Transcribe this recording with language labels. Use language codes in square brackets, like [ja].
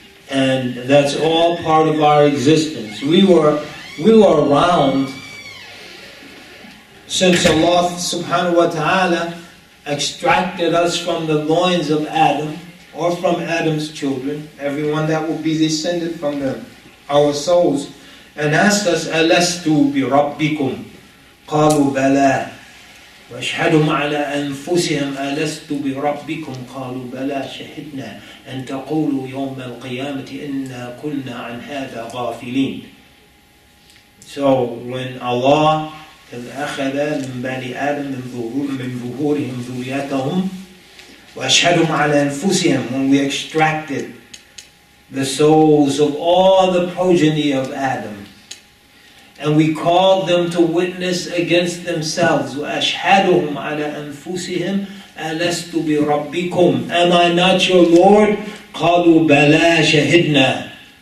[en] And that's all part of our existence. We were around since Allah [ar] subhanahu wa ta'ala [en] extracted us from the loins of Adam, or from Adam's children, everyone that will be descended from them, our souls, and asked us, [ar] أَلَسْتُ بِرَبِّكُمْ قَالُوا بَلَىٰ وَاشْهَدُمْ عَلَىٰ أَنفُسِهِمْ أَلَسْتُ بِرَبِّكُمْ قَالُوا بَلَىٰ شَهِدْنَا أَن تَقُولُوا يَوْمَ الْقِيَامَةِ إِنَّا كُنَّا عَنْ هَذَا غَافِلِينَ. [en] So when [ar] Allah أخذ من بني آدم من ظهورهم ذريتهم وأشهدهم على أنفسهم. [en] When we extracted the souls of all the progeny of Adam and we called them to witness against themselves, [ar] وأشهدهم على أنفسهم ألست بربكم. [en] Am I not your Lord? [ar] قالوا بلى شهدنا.